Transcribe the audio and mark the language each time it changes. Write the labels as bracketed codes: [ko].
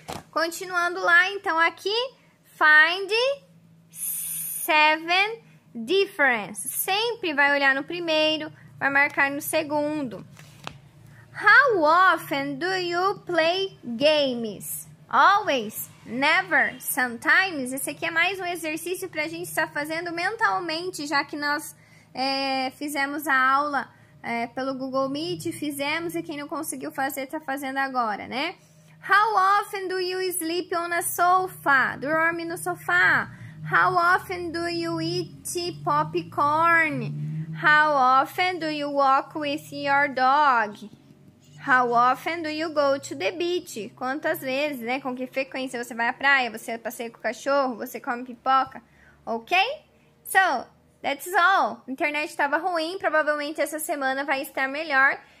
[pt] Continuando lá, então aqui, [en] find 7 difference, [pt] sempre vai olhar no primeiro, vai marcar no segundo. [en] How often do you play games? Always, never, sometimes. [pt] Esse aqui é mais um exercício para a gente estar fazendo mentalmente, já que nós fizemos a aula pelo Google Meet, fizemos, e quem não conseguiu fazer, está fazendo agora, né? [en] How often do you sleep on a sofa? [pt] Dorme no sofá? [en] How often do you eat popcorn? How often do you walk with your dog? How often do you go to the beach? [pt] Quantas vezes, né? Com que frequência você vai à praia? Você passeia com o cachorro? Você come pipoca? Ok? [en] So, that's all. [pt] Internet estava ruim, provavelmente essa semana vai estar melhor.